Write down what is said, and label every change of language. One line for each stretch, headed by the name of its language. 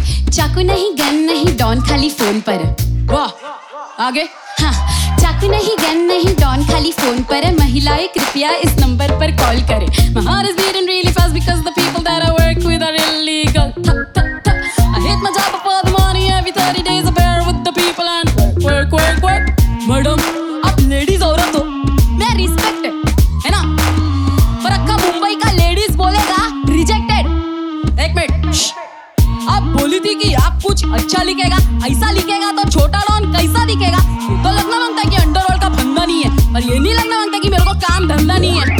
Hindi: चाकू नहीं गन नहीं डॉन खाली फोन पर वाह आगे हाँ चाकू नहीं गन नहीं डॉन खाली फोन पर है महिलाएं कृपया इस नंबर पर कॉल करें
English: My heart is beating really fast because the people that I work with are illegal thup, thup, thup. I hit my job for the money every 30 days I bear with the people and work work work
Hindi: madam आप ladies औरत हो मैं respect है ना पर अक्का मुंबई का ladies बोलेगा रिजेक्टेड एक मिनट आप बोली थी कि आप कुछ अच्छा लिखेगा ऐसा लिखेगा तो छोटा डॉन कैसा दिखेगा ये तो लगना मांगता है कि अंडरवर्ल्ड का धंधा नहीं है और ये नहीं लगना मांगता कि मेरे को काम धंधा नहीं है